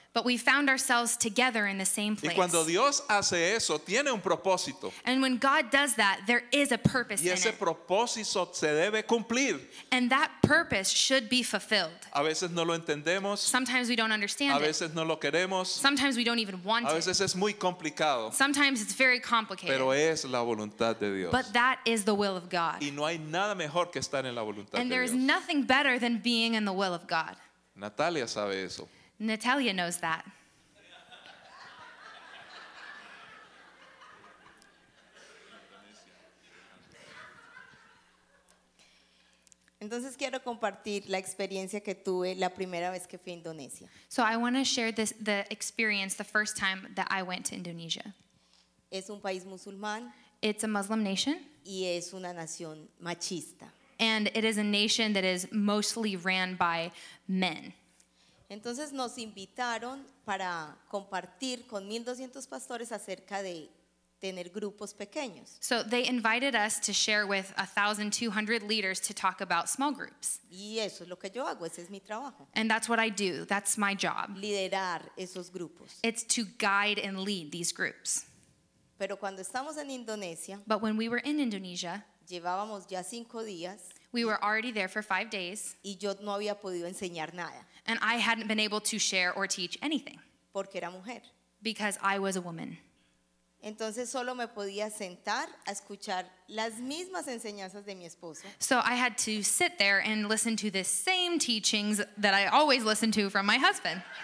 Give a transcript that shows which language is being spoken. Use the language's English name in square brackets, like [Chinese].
[English] But we found ourselves together in the same place. [Spanish] Y cuando Dios hace eso, tiene un propósito. [English] And when God does that, there is a purpose in it. [Spanish] Y ese propósito se debe cumplir. [English] And that purpose should be fulfilled. [Spanish] A veces no lo entendemos. [English] Sometimes we don't understand it. [Spanish] A veces no lo queremos. [English] Sometimes we don't even want it. [Spanish] A veces es muy complicado. [English] Sometimes it's very complicated. [Spanish] Pero es la voluntad de Dios. [English] But that is the will of God. [Spanish] Y no hay nada mejor que estar en la voluntad de Dios. [English] And there is nothing better than being in the will of God. [Spanish] Natalia sabe eso. [English] Natalia knows that. [Spanish] Entonces quiero compartir la experiencia que tuve la primera vez que fui a Indonesia. [English] So I want to share the experience the first time that I went to Indonesia. [Spanish] Es un país musulmán. [English] It's a Muslim nation. [Spanish] Y es una nación machista. [English] And it is a nation that is mostly ran by men. [Spanish] Entonces nos invitaron para compartir con 1,200 pastores acerca de tener grupos pequeños. [English] So they invited us to share with 1,200 leaders to talk about small groups. [Spanish] Y eso es lo que yo hago, ese es mi trabajo. [English] And that's what I do, that's my job. [Spanish] Liderar esos grupos. [English] It's to guide and lead these groups. [Spanish] Pero cuando estamos en Indonesia, [English] but when we were in Indonesia, [Spanish] llevábamos ya 5 días. [English] We were already there for 5 days. [Spanish] Y yo no había podido enseñar nada. [English] And I hadn't been able to share or teach anything. [Spanish] Porque era mujer. [English] Because I was a woman. [Spanish] Entonces solo me podía sentar a escuchar las mismas enseñanzas de mi esposo. [English] So I had to sit there and listen to the same teachings that I always listen to from my husband.